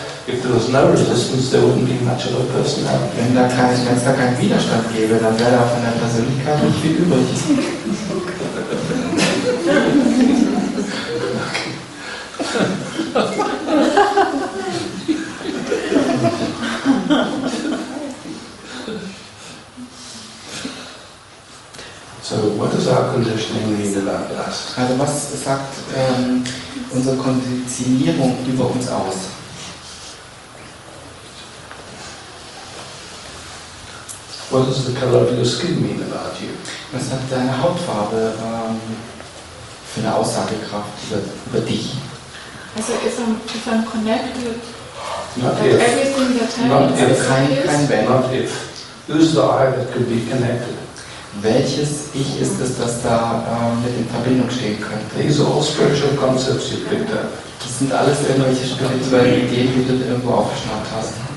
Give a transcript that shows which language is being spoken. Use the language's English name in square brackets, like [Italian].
[German] If there was no resistance, there wouldn't be much of a personality. [English] Wenn da kein, wenn es da keinen Widerstand gäbe, dann wäre da von der Persönlichkeit nicht viel übrig. [German] So, what does our conditioning mean about us? [English] Also, was sagt unsere Konditionierung über uns aus? [German] What does the color of your skin mean about you? [English] Was hat deine Hautfarbe für eine Aussagekraft über dich? [German] Also, if I'm connected, not if. Everything that I have [English] is [German] kein Wenn. [English] Not if. Who's the I that could be connected? [German] Welches Ich ist es, das da mit in Verbindung stehen könnte? [English] These are all spiritual concepts you picked up. [German] Das sind alles irgendwelche spirituellen Ideen, die du irgendwo aufgeschnappt hast.